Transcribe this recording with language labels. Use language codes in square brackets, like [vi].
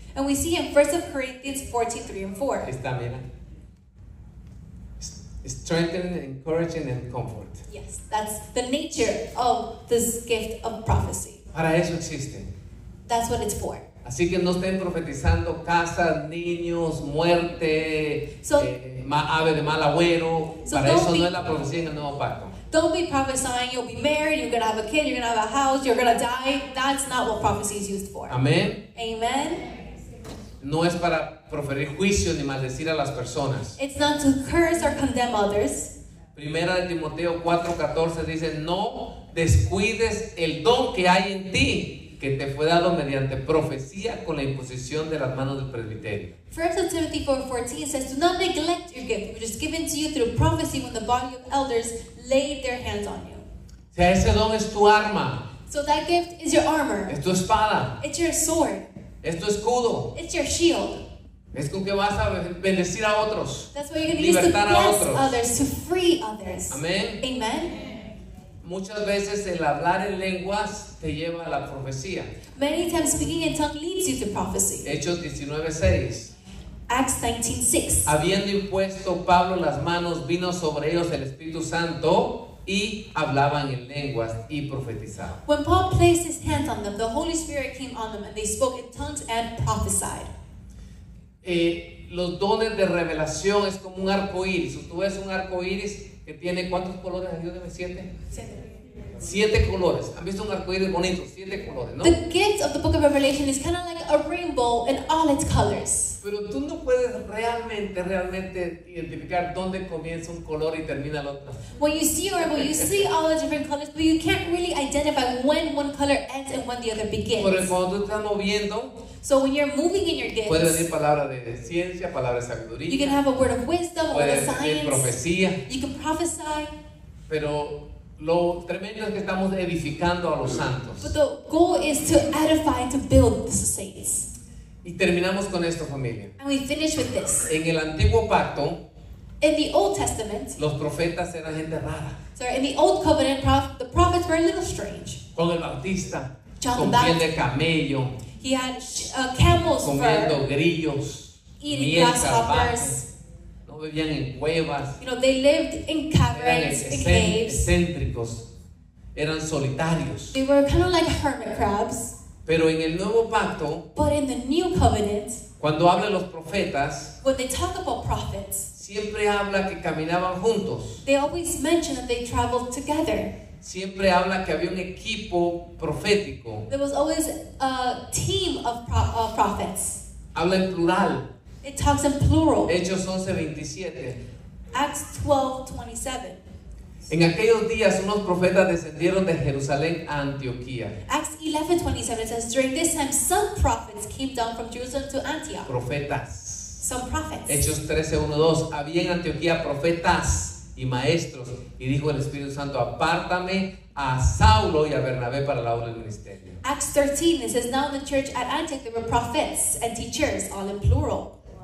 [en] And we see in 1 Corinthians 14, 3 and 4. [es] Está, mira. [en] Strengthening, encouraging and comfort. Yes, that's the nature of this gift of prophecy. [es] Para eso existe. [en] That's what it's for. [es] Así que no estén profetizando casas, niños, muerte, ave de mal agüero. [en] So [es] para eso no es la profecía en el Nuevo Pacto. [en] Don't be prophesying, you'll be married, you're going to have a kid, you're going to have a house, you're going to die. That's not what prophecy is used for. Amen. Amen. [es] No es para proferir juicio ni maldecir a las personas. [en] It's not to curse or condemn others. [es] Primera de Timoteo 4:14 dice, no descuides el don que hay en ti, que te fue dado mediante profecía con la imposición de las manos del presbiterio. [en] 1 Timothy 4:14 says, do not neglect your gift, which is given to you through prophecy when the body of elders laid their hands on you. [es] Sea, ese don es tu arma. [en] So that gift is your armor. [es] Es tu espada. [en] It's your sword. [es] Es tu escudo. [en] It's your shield. [es] Es con que vas a bendecir a otros. [en] That's what you're going to use to bless others, to free others. [es] Amén. [en] Amen. [es] Muchas veces el hablar en lenguas te lleva a la profecía. [en] Many times speaking in tongues leads you to prophecy. [es] Hechos 19:6. [en] Acts 19:6. [es] Habiendo impuesto Pablo las manos, vino sobre ellos el Espíritu Santo y hablaban en lenguas y profetizaban. [en] When Paul placed his hands on them, the Holy Spirit came on them and they spoke in tongues and prophesied. [es] Los dones de revelación es como un arco iris. Tú ves un arco iris que tiene ¿cuántos colores? ¿Siete? Siete colores. ¿Han visto un arco iris bonito? Siete colores, ¿no? [en] The gift of the book of Revelation is kind of like a rainbow in all its colors. [es] Pero tú no puedes realmente identificar dónde comienza un color y termina el otro. [en] When you see a rainbow, you see all the different colors, but you can't really identify when one color ends and when the other begins. [es] Pero cuando tú estás moviendo, [en] so when you're moving in your gifts, [es] puede venir palabra de ciencia, palabra de sabiduría. [en] You can have a word of wisdom, word of science. [es] Puede profecía. [en] You can prophesy. [es] Pero lo tremendo es que estamos edificando a los santos. [en] But the goal is to edify, to build the saints. [es] Y terminamos con esto, familia. [en] And we finish with this. [es] En el Antiguo Pacto, [en] in the Old Testament, [es] los profetas eran gente rara. [en] Sorry, in the Old Covenant, the prophets were a little strange. [es] Juan el Bautista, [en] John [es] con [en] Baptist, [es] piel de camello. [en] He had camels [es] comiendo [en] fur, [es] grillos, [en] eating grasshoppers. [es] No vivían en cuevas. [en] You know, they lived in caverns, in caves. [es] Excéntricos. Eran solitarios. [en] They were kind of like hermit crabs. [es] Pero en el Nuevo Pacto, [en] but in the New Covenant, [es] cuando hablan los profetas, [en] when they talk about prophets, [es] siempre habla que caminaban juntos. [en] They always mention that they traveled together. [es] Siempre habla que había un equipo profético. [en] There was always a team of prophets. [es] Habla en plural. [en] It talks in plural. [es] Hechos 11:27. [en] Acts 12:27. [es] En aquellos días unos profetas descendieron de Jerusalén a Antioquía. [en] Acts 11:27 says, during this time some prophets came down from Jerusalem to Antioch. [es] Profetas. [en] Some prophets. [es] Hechos 13:1-2. Había en Antioquía profetas y maestros, y dijo el Espíritu Santo, apártame a Saulo y a Bernabé para la obra del ministerio. [en] Acts 13, it says, now in the church at Antioch there were prophets and teachers, all in plural.